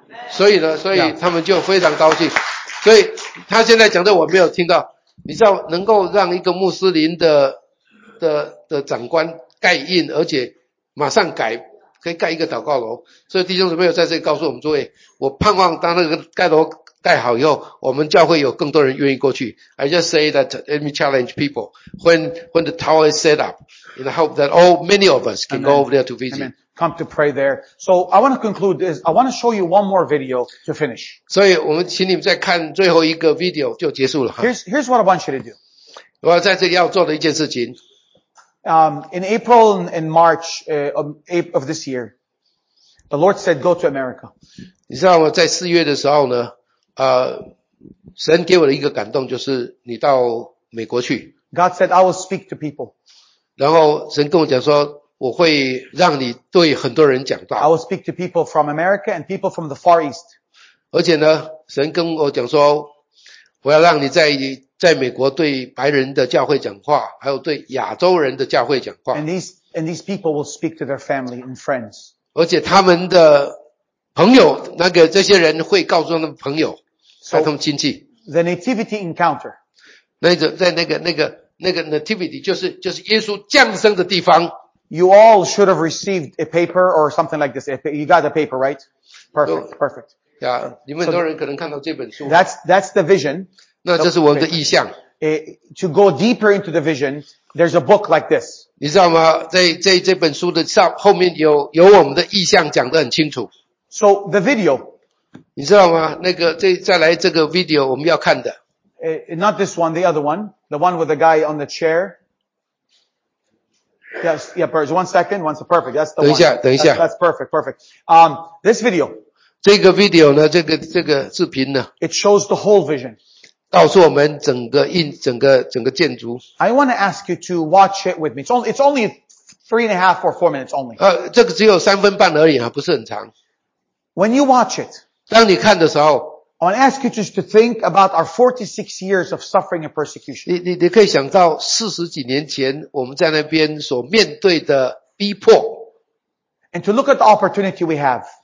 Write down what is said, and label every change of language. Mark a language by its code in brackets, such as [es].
[zh] 所以呢，所以他们就非常高兴。所以他现在讲的我没有听到，你知道能够让一个穆斯林的长官盖印，而且马上改。可以盖一个祷告楼，所以弟兄姊妹有在这里告诉我们诸位，我盼望当那个盖楼盖好以后，我们教会有更多人愿意过去。 [en] I just say that let me challenge people when the tower is set up, in the hope that all many of us can go over there to visit. Amen. Come to pray there. So I want to conclude this. I want to show you one more video to finish. [zh] 所以我们请你们再看最后一个 video 就结束了。 [en] Here's what I want you to do. [zh] 我要在这里要做的一件事情。 [en] In April and March of this year, the Lord said, go to America. [zh] 你知道吗？在四月的时候呢，神给我的一个感动就是你到美国去。 [en] God said, I will speak to people. [zh] 然后神跟我讲说，我会让你对很多人讲道。 [en] I will speak to people from America and people from the Far East. [zh] 而且呢，神跟我讲说，我要让你在美国对白人的教会讲话，还有对亚洲人的教会讲话。 [en] And these people will speak to their family and friends. [zh] 而且他们的朋友，那个这些人会告诉他们朋友，和他们亲戚。 [en] The nativity encounter. [zh] 在那个 nativity 就是耶稣降生的地方。 [en] You all should have received a paper or something like this. You got a paper, right? Perfect. [zh] Yeah, 你们很多人可能看到这本书。 [en] That's the vision. [zh] 那这是我们的意向。 [en] To go deeper into the vision, there's a book like this. [zh] 你知道吗？在这本书的上后面有我们的意向讲得很清楚。 [en] So the video. [zh] 你知道吗？那个再来这个 video 我们要看的。 [en] Not this one, the other one, the one with the guy on the chair. Yes, yeah, perfect. One second, perfect. That's the one. [zh] 等一下。 [en] That's perfect. This video. [zh] 这个 video 呢？这个视频呢 [en] ？It shows the whole vision. [zh] 告诉我们整个建筑。 [en] I want to ask you to watch it with me. It's only three and a half or four minutes only. [zh] 这个只有三分半而已，不是很长。 [en] When you watch it, [zh] 当你看的时候 [en] ，I want to ask you just to think about our 46 years of suffering and persecution. [zh] 你可以想到四十几年前我们在那边所面对的逼迫。 [en] And to look at the opportunity we have.